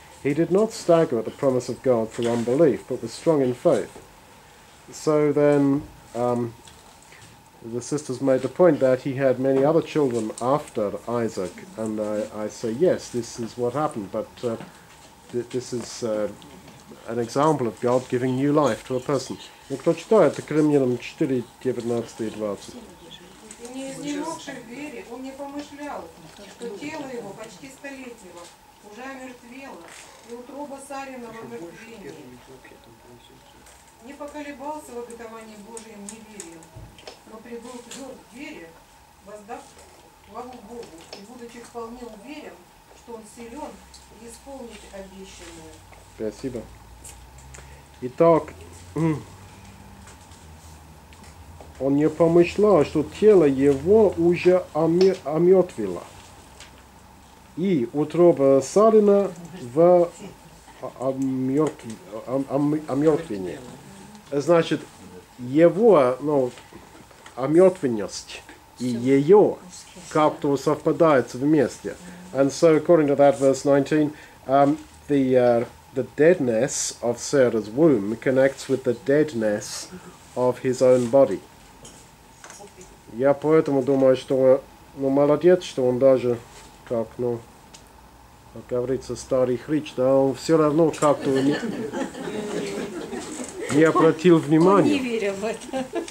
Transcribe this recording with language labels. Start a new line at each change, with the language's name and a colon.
English: He did not stagger at the promise of God through unbelief, but was strong in faith. So then the sisters made the point that he had many other children after Isaac. And I say, yes, this is what happened, but this is... an example of God giving new life to a person.
Russian: Кто читает это к римлянам 4:19-20? Не изнемогший в вере, он не помышлял, что тело его почти столетнего уже омертвело, и утроба Сариного омертвение. Не поколебался в обетовании Божьем, не верил, но прибыл тверд в вере, воздав славу Богу, и будучи вполне уверен, что он силен исполнить обещанное. Спасибо. Итак, он не помышлял, что тело его уже омертвело. И утроба Сарина в омертвении. Значит, его омертвенность и ее как-то совпадают вместе.
English: And so, according to that verse 19, the deadness of Sarah's womb connects with the deadness of his own body.
Russian: Я поэтому думаю, что молодец, что он даже как говорится, старый хрыч, да, он все равно как-то не обратил внимания. Он не верил в это.